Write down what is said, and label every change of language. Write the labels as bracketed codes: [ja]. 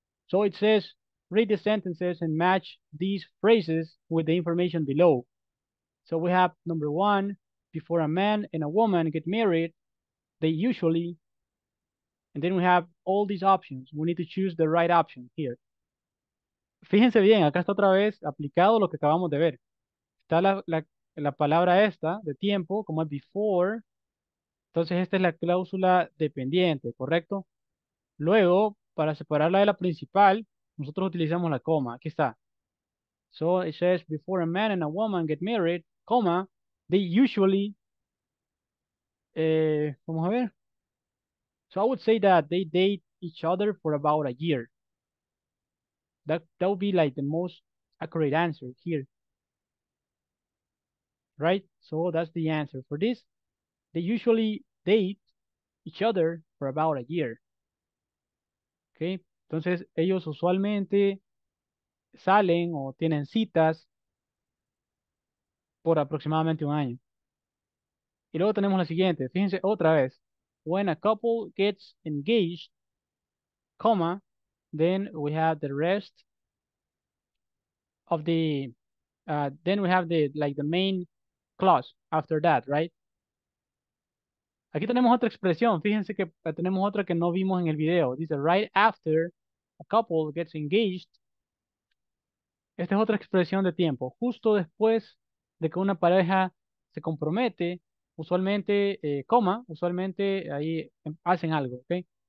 [en] So, it says read the sentences and match these phrases with the information below. So, we have number one, before a man and a woman get married, they usually, and then we have all these options. We need to choose the right option here. [es] Fíjense bien, acá está otra vez aplicado lo que acabamos de ver. Está la palabra esta de tiempo, como es before. Entonces, esta es la cláusula dependiente, ¿correcto? Luego, para separarla de la principal, nosotros utilizamos la coma. Aquí está. [en] So it says, before a man and a woman get married, coma, they usually, [es] vamos a ver. [en] So I would say that they date each other for about a year. That would be like the most accurate answer here. Right? So that's the answer for this. They usually date each other for about a year. Okay? [es] Entonces, ellos usualmente salen o tienen citas por aproximadamente un año. Y luego tenemos la siguiente. Fíjense otra vez. [en] When a couple gets engaged, comma, then we have the rest of the, then we have the, like, the main clause after that, right? [es] Aquí tenemos otra expresión. Fíjense que tenemos otra que no vimos en el video. Dice, [en] right after a couple gets engaged. [es] Esta es otra expresión de tiempo. Justo después de que una pareja se compromete, usualmente, coma, usualmente ahí hacen algo, ¿ok?